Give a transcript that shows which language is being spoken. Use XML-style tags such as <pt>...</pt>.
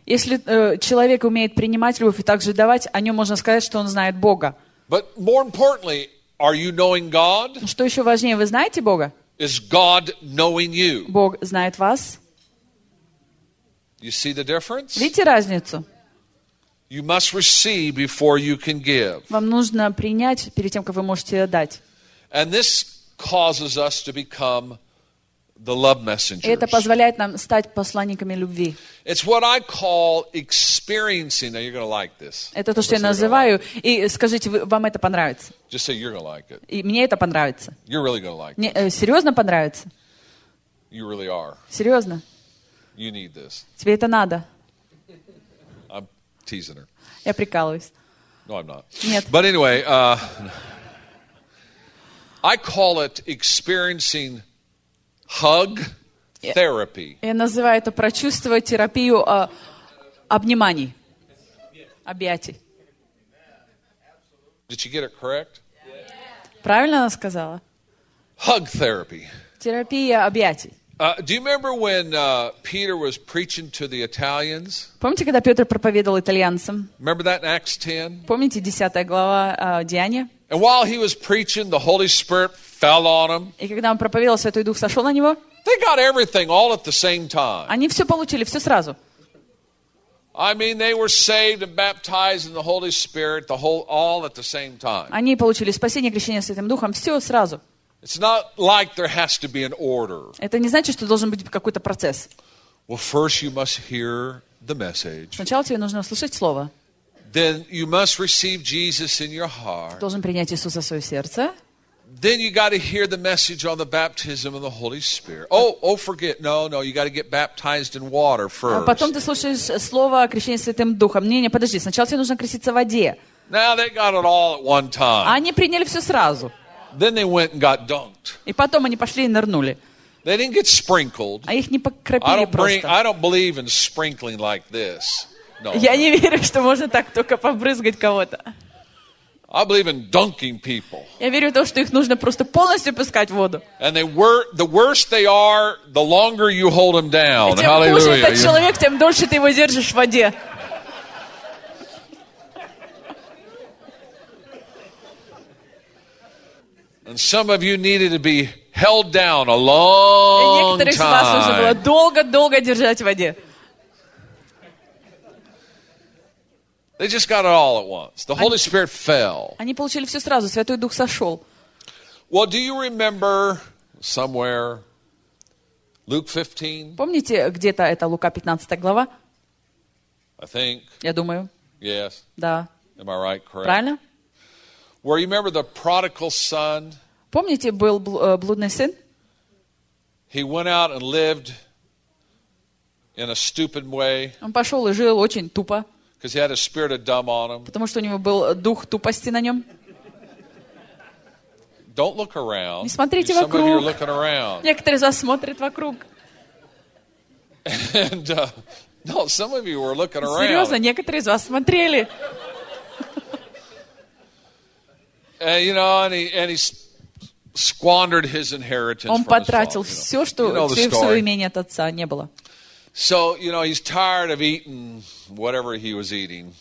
<ru>Если человек умеет принимать любовь и также давать, о нем можно сказать, что он знает Бога.</ru> <en>But more importantly, are you knowing God?</en> <ru>Что еще важнее, вы знаете Бога?</ru> <en>Is God knowing you?</en> <ru>Бог знает вас.</ru> <en>You see the difference?</en> <ru>Видите разницу?</ru> <en>You must receive before you can give.</en> <ru>Вам нужно принять перед тем, как вы можете дать.</ru> <en>And this causes us to become the love messengers.</en> <ru>Это позволяет нам стать посланниками любви.</ru> <en>It's what I call experiencing. Now you're going to like this.</en> <ru>Это то, что я называю. И скажите, вам это понравится.</ru> <en>Just say you're going to like it.</en> <ru>И мне это понравится.</ru> <en>You're really going to like it.</en> <ru>Серьезно понравится?</ru> <en>You really are.</en> <ru>Серьезно?</ru> <en>You need this.</en> <ru>Тебе это надо.</ru> <en>I'm teasing her.</en> <ru>Я прикалываюсь.</ru> <en>No, I'm not.</en> <ru>Нет.</ru> <en>But anyway, I call it experiencing hug therapy.</en> <ru>Я называю это прочувствовать терапию обниманий, объятий.</ru> <en>Did you get it correct?</en> <ru>Правильно она сказала?</ru> <en>Hug therapy.</en> <ru>Терапия объятий.</ru> <en>Do you remember when Peter was preaching to the Italians?</en> <ru>Помните, когда Петр проповедовал итальянцам?</ru> <en>Remember that in Acts 10?</en> <ru>Помните 10 глава Деяния?</ru> <en>And while he was preaching, the Holy Spirit fell on him.</en> <ru>И когда он проповедовал, Святой Дух сошел на него.</ru> <en>They got everything all at the same time.</en> <ru>Они все получили, все сразу.</ru> <en>I mean, they were saved and baptized in the Holy Spirit, the whole, all at the same time.</en> <ru>Они получили спасение, крещение Святым Духом, все сразу.</ru> <en>It's not like there has to be an order.</en> <ru>Это не значит, что должен быть какой-то процесс.</ru> <en>Well, first you must hear the message.</en> <ru>Сначала тебе нужно услышать слово.</ru> <en>Then you must receive Jesus in your heart.</en> <ru>Ты должен принять Иисуса в свое сердце.</ru> <en>Then you got to hear the message on the baptism of the Holy Spirit. No, you got to get baptized in water first.</en> <ru>А потом ты слушаешь слово о крещении Святым Духом. Не, подожди, сначала тебе нужно креститься в воде.</ru> <en>Now they got it all at one time.</en> <ru>Они приняли все сразу.</ru> <en>Then they went and got dunked.</en> <ru>И потом они пошли и нырнули.</ru> <en>They didn't get sprinkled.</en> <ru>А их не покропили просто.</ru> <en>I don't believe in sprinkling like this. No.</en> <ru>Я не верю, что можно так только побрызгать кого-то.</ru> <en>I believe in dunking people.</en> <ru>Я верю в то, что их нужно просто полностью пускать в воду.</ru> <en>And the worse they are, the longer you hold them down. Hallelujah.</en> <ru>Чем хуже этот человек, тем дольше ты его держишь в воде.</ru> <en>And some of you needed to be held down a long time.</en> <ru>Некоторых из вас нужно было долго-долго держать в воде.</ru> <en>They just got it all at once. The Holy Spirit fell.</en> <ru>Они получили все сразу. Святой Дух сошел.</ru> <en>Well, do you remember somewhere Luke 15?</en> <ru>Помните, где-то это Лука 15 глава?</ru> <en>I think.</en> <ru>Я думаю.</ru> <en>Yes.</en> <ru>Да.</ru> <en>Am I right? Correct.</en> <ru>Правильно?</ru> <en>Where you remember the prodigal son?</en> <ru>Помните, был блудный сын?</ru> <en>He went out and lived in a stupid way.</en> <ru>Он пошел и жил очень тупо.</ru> <en>Because he had a spirit of dumb on him.</en> <ru>Потому что у него был дух тупости на нем.</ru> <en>Don't look around.</en> <ru>Не смотрите</ru> <en>Some</en> <ru>вокруг.</ru> <en>Some of you are looking around.</en> <ru>Некоторые из вас смотрят вокруг.</ru> <en>And no, some of you were looking around.</en> <ru>Серьезно, некоторые из вас смотрели.</ru> <en>And you know, and he squandered his inheritance.</en> <ru>Он потратил все, что своего имения от отца не было.</ru> <en>So, you know, he's tired of eating whatever he was eating.</en>